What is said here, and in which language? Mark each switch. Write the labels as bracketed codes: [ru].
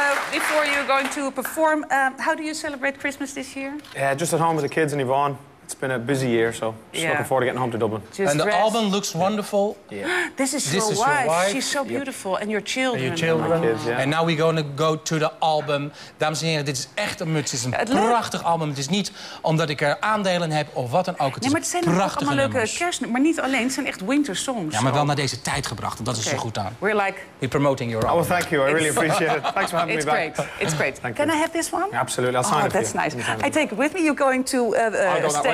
[en] Before you're going to perform, how do you celebrate Christmas this year? Yeah, just at home with the kids and Yvonne. It's been a busy year, so just looking forward to getting home to Dublin. Just and the rest. Album looks wonderful. Yeah. Yeah. This is your wife. She's so beautiful. Yep. And your children. And your children. And, kids, yeah. And now we're going to go to the album. [nl] Dames en heren, dit is echt een muts. Het is een prachtig album. Het is niet omdat ik er aandelen heb of wat dan ook. Het zijn allemaal leuke kerst, maar niet alleen. Het zijn echt winter songs. Ja, maar wel naar deze tijd gebracht. En dat is er goed aan. [en] We're like... We're promoting your album. Oh, well, thank you. I really appreciate it. Thanks for having me back. It's great. Can I have this one? Absolutely. I'll sign it. Oh, that's nice. I take it with me. You're going to...